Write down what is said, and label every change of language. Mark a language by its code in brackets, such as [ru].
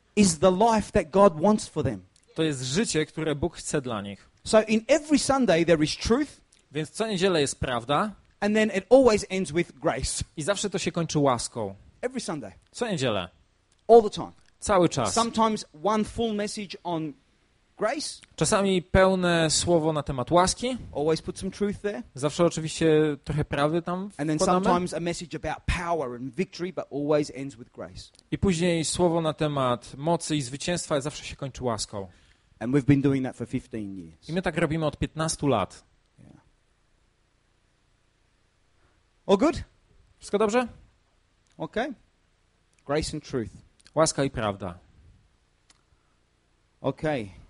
[en] Is the life that God wants for them. [pl] To jest życie, które Bóg chce dla nich. [en] So in every Sunday there is truth. [pl] Więc co niedzielę jest prawda. [en] And then it always ends with grace. [pl] I zawsze to się kończy łaską. [en] Every Sunday. [pl] Co niedzielę. [en] All the time. [pl] Cały czas. [en] Sometimes one full message on grace. [pl] Czasami pełne słowo na temat łaski. [en] Always put some truth there. [pl] Zawsze oczywiście trochę prawdy tam wkładamy. [en] And then sometimes a message about power and victory, but always ends with grace. [pl] I później słowo na temat mocy i zwycięstwa zawsze się kończy łaską. [en] And we've been doing that for 15 years. [pl] I my tak robimy od 15 lat. [en] All good? [pl] Wszystko dobrze? [en] Okay. Grace and truth. [pl] Łaska i prawda. [en] Okay.